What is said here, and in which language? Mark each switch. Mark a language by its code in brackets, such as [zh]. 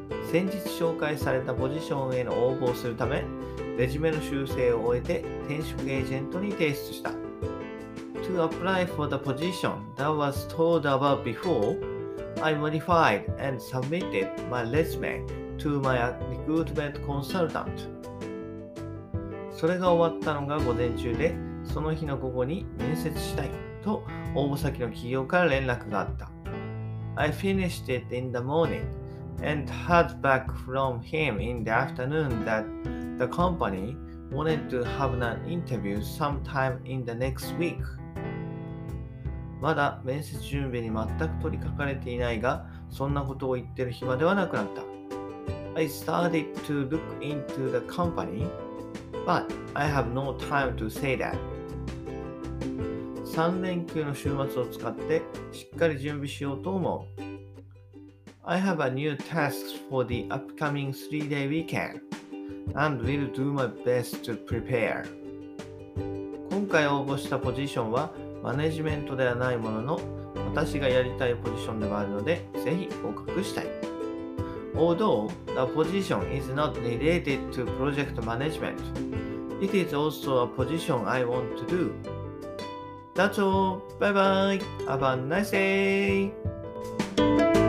[ja] 先日紹介されたポジションへの応募をするため、レジュメの修正を終えて転職エージェントに提出した。 [en] To apply for the position that was told about before, I modified and submitted my resume to my recruitment consultant. [ja] それが終わったのが午前中で、その日の午後に面接したいと応募先の企業から連絡があった。 [en] I finished it in the morning and heard back from him in the afternoon that the company wanted to have an interview sometime in the next week. [ja] まだ面接準備に全く取り掛かれていないが、そんなことを言ってる暇ではなくなった。 [en] I started to look into the company. But I have no time to say that. [ja] 3連休の週末を使ってしっかり準備しようと思う。 [en] I have a new task for the upcoming 3-day weekend and will do my best to prepare. [ja] 今回応募したポジションはマネジメントではないものの、私がやりたいポジションでもあるので、ぜひ合格したい。 [en] Although the position is not related to project management, it is also a position I want to do. That's all. Bye bye. Have a nice day.